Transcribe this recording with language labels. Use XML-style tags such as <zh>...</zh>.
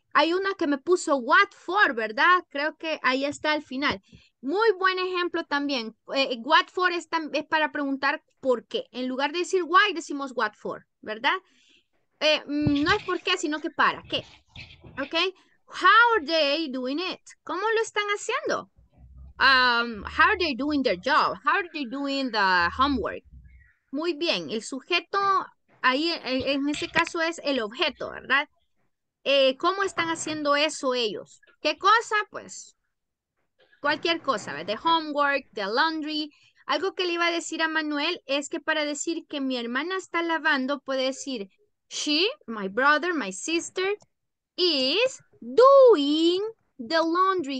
<es>Hay una que me puso what for, ¿verdad? Creo que ahí está al final. Muy buen ejemplo también. What for es para preguntar por qué. En lugar de decir why, decimos what for, ¿verdad? No es por qué, sino que para qué.</es> <en>¿Ok? How are they doing it?</en> <es>¿Cómo lo están haciendo?</es> <en>How are they doing their job? How are they doing the homework?</en> <es>Muy bien, el sujeto ahí en ese caso es el objeto, ¿verdad? ¿Cómo están haciendo eso ellos? ¿Qué cosa? Pues cualquier cosa, ¿verdad?</es> <en>The homework, the laundry.</en> <es>Algo que le iba a decir a Manuel es que para decir que mi hermana está lavando, puede decir</es> <en>she, my brother, my sister, is doing the laundry.</en>